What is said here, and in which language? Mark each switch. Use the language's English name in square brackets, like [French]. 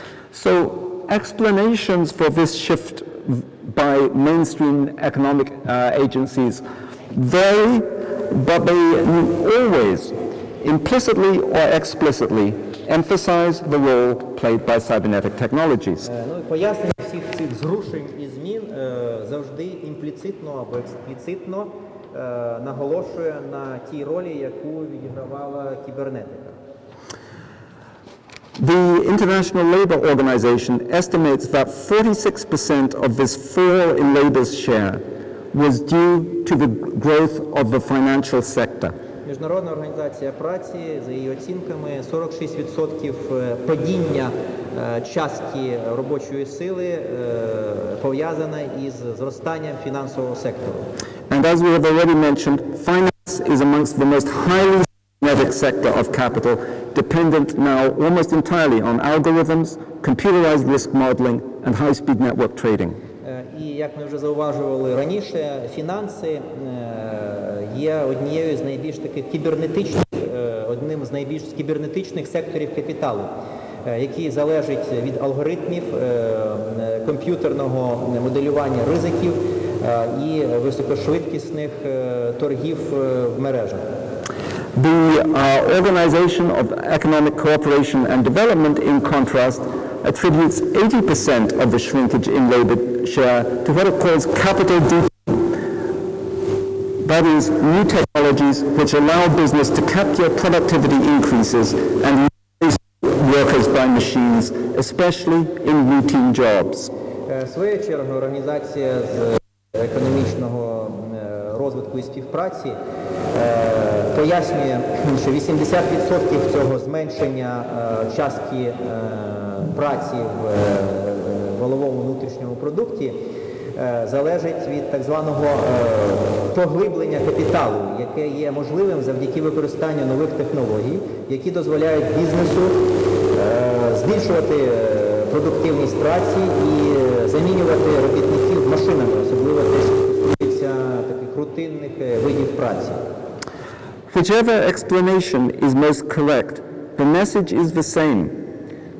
[English] So, explanations for this shift by mainstream economic agencies vary, but they always, implicitly or explicitly, emphasize the role played by cybernetic technologies. [Ukrainian] Пояснення всіх цих зрушень і змін завжди імпліцитно або експліцитно наголошує на тій ролі, яку відігравала кібернетика. [English] The International Labour Organization estimates that 46% of this fall in labour's share was due to the growth of the financial sector. [Ukrainian] Міжнародна організація праці, за її оцінками, 46% падіння частки робочої сили пов'язане із зростанням фінансового сектору. [English] And as we have already mentioned, finance is amongst the most highly cybernetic sector of capital, dependent now almost entirely on algorithms, computerized risk modeling, and high-speed network trading. [Ukrainian] І як ми вже зауважували раніше, фінанси є однією з найбільш таких кібернетичних, одним з найбільш кібернетичних секторів капіталу, який залежить від алгоритмів, комп'ютерного моделювання ризиків і високошвидкісних торгів в мережах. [English] The Organization of Economic Cooperation and Development, in contrast, attributes 80% of the shrinkage in labor share to what it calls capital deepening, that is, new technologies which allow business to capture productivity increases and replace workers by machines, especially in routine jobs. [Ukrainian] Своя черга організація з економічного розвитку і співпраці пояснює, що 80% цього зменшення частки праці в валовому внутрішньому продукті залежить від так званого поглиблення капіталу, яке є можливим завдяки використанню нових технологій, які дозволяють бізнесу збільшувати продуктивність праці і замінювати робітників машинами, особливо те, що стосується таких рутинних видів праці. [English] Whichever explanation is most correct, the message is the same.